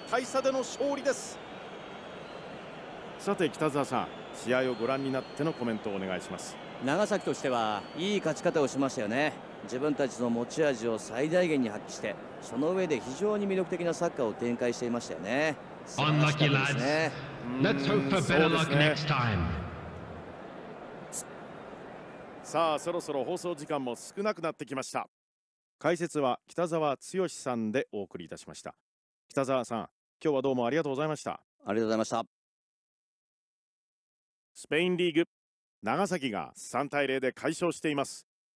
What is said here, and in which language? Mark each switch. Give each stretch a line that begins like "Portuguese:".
Japanese: 大差での勝利です。さて北澤さん、試合をご覧になってのコメントをお願いします。長崎としてはいい勝ち方をしましたよね。自分たちの持ち味を最大限に発揮して、その上で非常に魅力的なサッカーを展開していましたよね。
English: アンラッキーラッツ、Let's hope for better luck next time。
Japanese: さあそろそろ放送時間も少なくなってきました。解説は北澤剛さんでお送りいたしました。北澤さん、今日はどうもありがとうございました。ありがとうございました。スペインリーグ、長崎が3対0で快勝しています。